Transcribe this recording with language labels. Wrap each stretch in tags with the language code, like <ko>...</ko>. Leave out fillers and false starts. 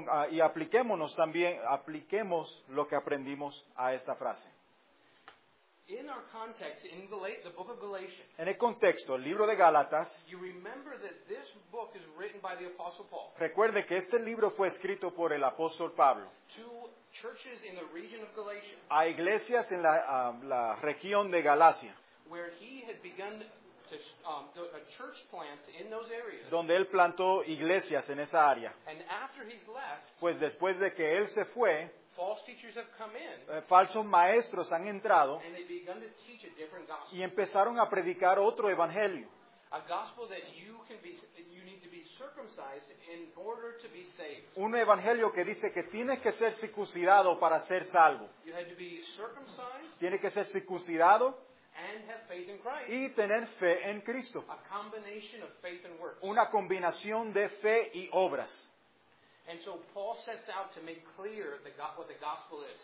<es>Y apliquémonos también, apliquemos lo que aprendimos a esta frase.</es> <en>In our context, in the book of Galatians,</en> <es>en el contexto, el libro de Gálatas,</es> <en>you remember that this book is written by the Apostle Paul.</en> <es>Recuerde que este libro fue escrito por el apóstol Pablo.</es> <en>To churches in the region of Galatia.</en> <es>A iglesias en la región de Galacia.</es> <en>Where he had begun a church plant in those areas.</en> <es>Donde él plantó iglesias en esa área.</es> <en>And after he's left,</en> <es>pues después de que él se fue,</es> <en>false teachers have come in,</en> <es>falsos maestros han entrado</es> <en>and they begun to teach a different gospel.</en> <es>Y empezaron a predicar otro evangelio.</es> <en>A gospel that you need to be circumcised in order to be saved.</en> <es>Un evangelio que dice que tienes que ser circuncidado para ser salvo.</es> <en>You had to be circumcised.</en> <es>Tiene que ser circuncidado.</es> <en>And have faith in Christ.</en> <es>Y tener fe en Cristo.</es> <en>A combination of faith and works.</en> <es>Una combinación de fe y obras.</es> <en>And so Paul sets out to make clear what the gospel is.</en>